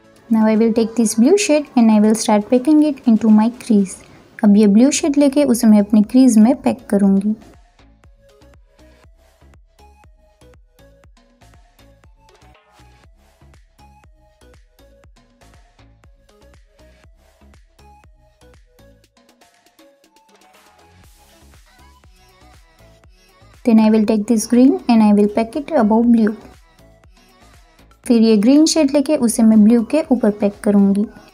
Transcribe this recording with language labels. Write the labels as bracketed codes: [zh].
[en] Now I will take this blue shade and I will start packing it into my crease. [hi] अब ये blue shade लेके उसे मैं अपने क्रीज में पैक करूंगी। [en] Then I will take this green and I will pack it above blue. [hi] फिर ये ग्रीन शेड लेके उसे मैं ब्लू के ऊपर पैक करूंगी।